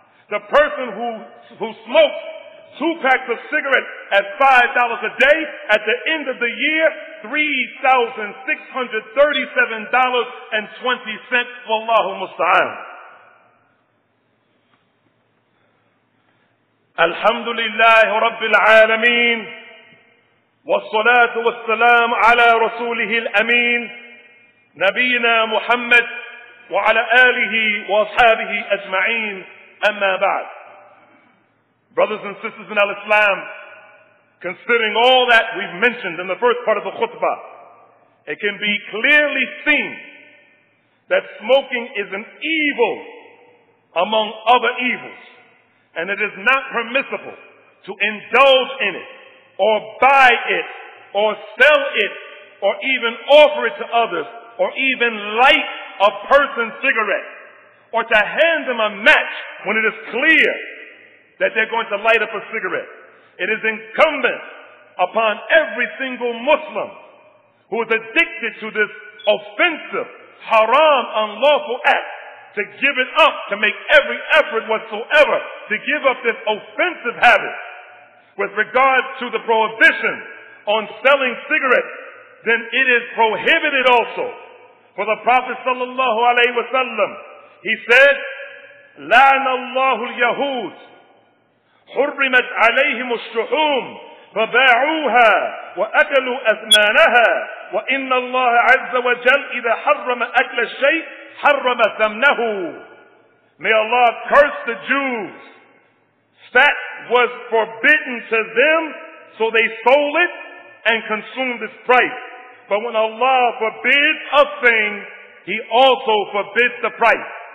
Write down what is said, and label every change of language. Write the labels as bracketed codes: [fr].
[en] The person who smokes two packs of cigarettes at $5 a day, at the end of the year, $3,637.20, [ar] wallahu musta'an. الحمد لله رب العالمين والصلاة والسلام على رسوله الأمين نبينا محمد وعلى آله وأصحابه أجمعين أما بعد. [en] Brothers and sisters in Al-Islam, considering all that we've mentioned in the first part of the khutbah, it can be clearly seen that smoking is an evil among other evils. And it is not permissible to indulge in it, or buy it, or sell it, or even offer it to others, or even light a person's cigarette, or to hand them a match when it is clear that they're going to light up a cigarette. It is incumbent upon every single Muslim who is addicted to this offensive, haram, unlawful act, to give it up, to make every effort whatsoever to give up this offensive habit. With regard to the prohibition on selling cigarettes, then it is prohibited also. For the Prophet sallallahu alaihi wasallam, he said, [ar] لَعَنَ اللَّهُ الْيَهُودُ حُرِّمَتْ عَلَيْهِمُ الشُّحُومُ فَبَاعُوهَا وَأَكَلُوا أَثْمَانَهَا وَإِنَّ اللَّهَ عَزَّ وَجَلْ إِذَا حَرَّمَ أَكْلَ الشَّيْءِ حَرَّمَ ثَمْنَهُ. [en] May Allah curse the Jews. Fat was forbidden to them, so they sold it and consumed its price. But when Allah forbids a thing, He also forbids the price.